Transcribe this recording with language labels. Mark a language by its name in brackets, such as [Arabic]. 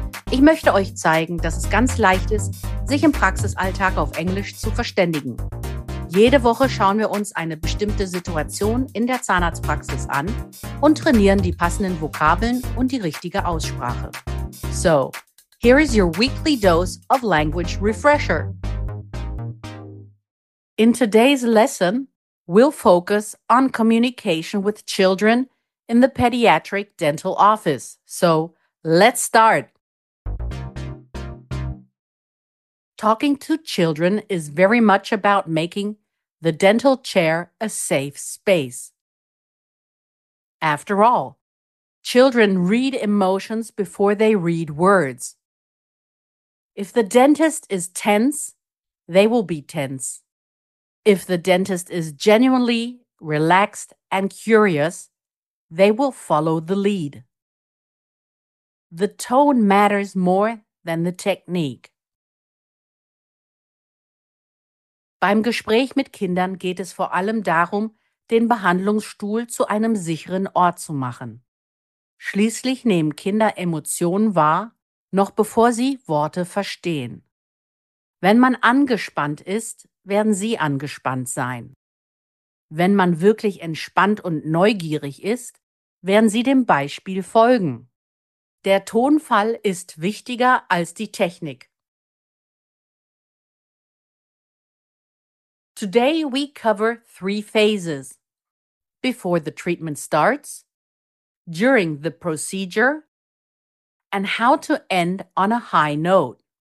[German] Ich möchte euch zeigen, dass es ganz leicht ist, sich im Praxisalltag auf Englisch zu verständigen. Jede Woche schauen wir uns eine bestimmte Situation in der Zahnarztpraxis an und trainieren die passenden Vokabeln und die richtige Aussprache. [English] So, here is your weekly dose of language refresher. In today's lesson, we'll focus on communication with children in the pediatric dental office. So, let's start! Talking to children is very much about making the dental chair a safe space. After all, children read emotions before they read words. If the dentist is tense, they will be tense. If the dentist is genuinely relaxed and curious, they will follow the lead. The tone matters more than the technique. [German] Beim Gespräch mit Kindern geht es vor allem darum, den Behandlungsstuhl zu einem sicheren Ort zu machen. Schließlich nehmen Kinder Emotionen wahr, noch bevor sie Worte verstehen. Wenn man angespannt ist, werden Sie angespannt sein. Wenn man wirklich entspannt und neugierig ist, werden Sie dem Beispiel folgen. Der Tonfall ist wichtiger als die Technik. [English] Today we cover three phases. Before the treatment starts, during the procedure, and how to end on a high note.